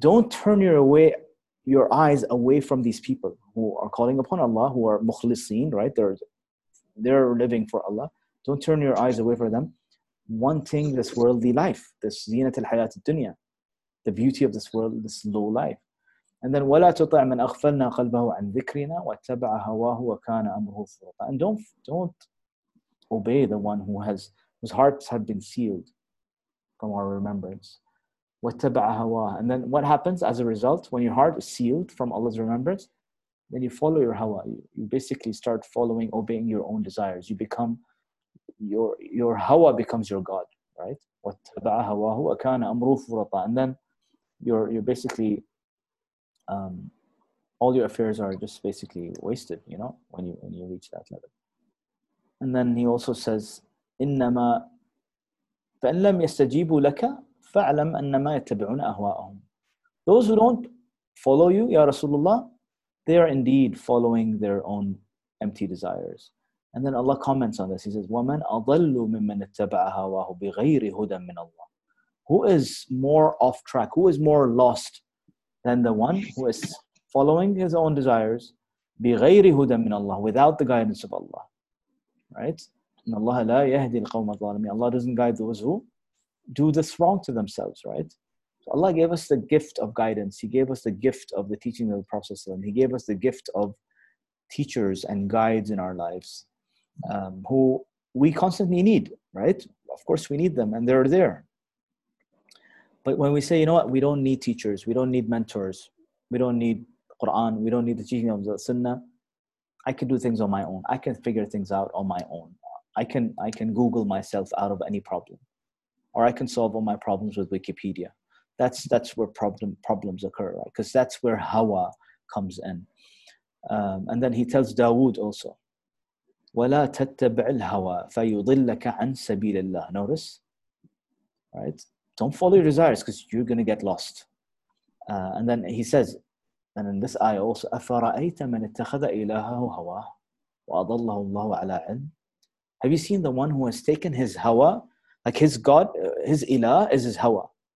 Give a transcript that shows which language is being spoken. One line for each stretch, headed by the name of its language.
English: Don't turn your eyes away from these people who are calling upon Allah, who are مُخْلِصِين, right? They're living for Allah. Don't turn your eyes away from them, wanting this worldly life, this
Arabic: زِينَةَ الْحَيَاةِ الدُّنْيَا,
English: the beauty of this world, this low life. And then,
Arabic: وَلَا تُطَعْ مَنْ أَغْفَلْنَا قَلْبَهُ عَنْ ذِكْرِنَا وَاتَّبَعَ هَوَاهُ وَكَانَ أَمْرُهُ فُرُطًا.
English: And don't obey the one whose hearts have been sealed from our remembrance.
Arabic: وَاتَّبَعَ هَوَاهُ.
English: And then what happens as a result when your heart is sealed from Allah's remembrance? Then you follow your hawa. You basically start following, obeying your own desires. You become, your hawa becomes your God, right?
Arabic: وَاتَّبَعَ هَوَاهُ وَكَانَ أَمْرُهُ فُرُطًا.
English: And then you're basically... all your affairs are just basically wasted, you know, when you reach that level. And then he also says,
Arabic: إِنَّمَا فَإِنْ لَمْ يَسْتَجِيبُوا لَكَ فَأَعْلَمْ أَنَّمَا يَتَّبِعُونَ أَهْوَاءَهُمْ.
English: Those who don't follow you, Ya Rasulullah, they are indeed following their own empty desires. And then Allah comments on this. He says,
Arabic: وَمَنْ أَضَلُّ مِمَّنْ اتَّبَعَ هَوَاهُ بِغَيْرِ هُدًى مِّنَ اللَّهِ.
English: Who is more off track? Who is more lost than the one who is following his own desires,
Arabic: بِغَيْرِ هُدًى مِّنَ اللَّهِ,
English: without the guidance of Allah. Right?
Arabic: إِنَّ اللَّهَ لَا يَهْدِي الْقَوْمَ الظَّالِمِينَ.
English: Allah doesn't guide those who do this wrong to themselves, right? So Allah gave us the gift of guidance. He gave us the gift of the teaching of the Prophet ﷺ. He gave us the gift of teachers and guides in our lives who we constantly need, right? Of course we need them and they're there. But when we say, you know what, we don't need teachers, we don't need mentors, we don't need Quran, we don't need the teaching of the Sunnah, I can do things on my own. I can figure things out on my own. I can Google myself out of any problem. Or I can solve all my problems with Wikipedia. That's where problems occur, right? Because that's where Hawa comes in. And then he tells Dawood also,
Arabic: وَلَا تَتَّبِعِ الْهَوَى فَيُضِلَّكَ عَن سَبِيلِ اللَّهِ.
English: Notice, right? Don't follow your desires because you're going to get lost. And then he says, and in this ayah also,
Arabic: أَفَرَأَيْتَ مَنِ اتَّخَذَ إِلَهَهُ هَوَى وَأَضَلَّهُ اللَّهُ عَلَىٰ عِلْمٍ.
English: Have you seen the one who has taken his hawa, like his God, his ilah is his hawa.